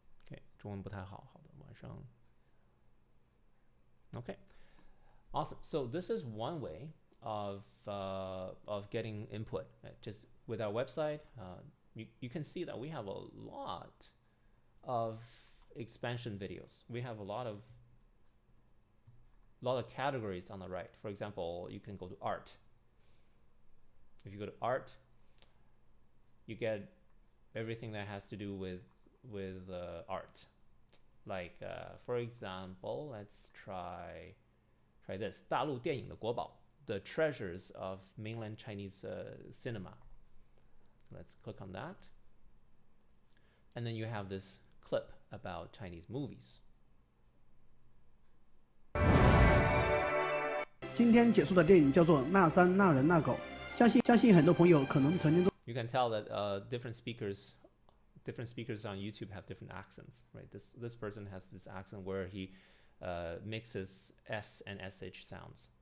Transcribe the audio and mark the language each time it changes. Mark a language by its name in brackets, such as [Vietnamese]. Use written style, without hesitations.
[Chinese] OK，中文不太好，好的，晚上。 [English] OK，awesome，so this is one way of getting input，just with our website, you can see that we have a lot of expansion videos. We have a lot of categories on the right. For example, you can go to art. If you go to art, you get everything that has to do with art. Like for example, let's try this. [Chinese] 大陆电影的国宝， [English] The treasures of mainland Chinese cinema. Let's click on that. And then you have this clip about Chinese movies. [Chinese] 今天解说的电影叫做《那山那人那狗》，相信很多朋友可能曾经都。 [English] You can tell that different speakers on YouTube have different accents, right? This person has this accent where he mixes S and SH sounds.